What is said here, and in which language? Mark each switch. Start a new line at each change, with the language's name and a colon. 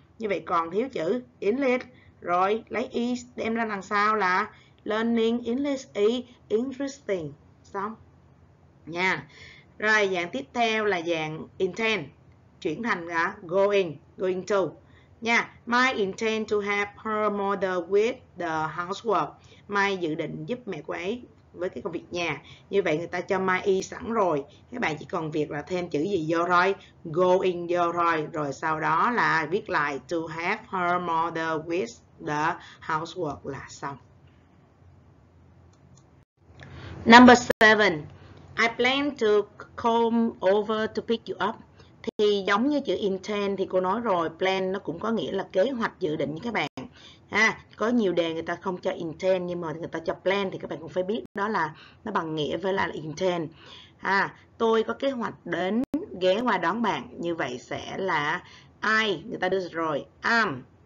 Vietnamese: Như vậy còn thiếu chữ English. Rồi, lấy is đem ra đằng sau là
English: learning English is interesting.
Vietnamese: Xong. Nha. Rồi, dạng tiếp theo là dạng intend. Chuyển thành là going to. Nha.
English: My intend to help her mother with the housework.
Vietnamese: My dự định giúp mẹ cô ấy với cái công việc nhà. Như vậy người ta cho my is sẵn rồi. Các bạn chỉ còn việc là thêm chữ gì vô thôi. Going vô thôi. Rồi sau đó là viết lại
English: to help her mother with the housework
Vietnamese: là xong.
English: Number 7, I plan to come over to pick you up.
Vietnamese: Thì giống như chữ intend thì cô nói rồi, plan nó cũng có nghĩa là kế hoạch, dự định các bạn. Có nhiều đề người ta không cho intend nhưng mà người ta cho plan thì các bạn cũng phải biết đó là nó bằng nghĩa với là intend. Tôi có kế hoạch đến ghé qua đón bạn, như vậy sẽ là I, người ta đưa rồi, am.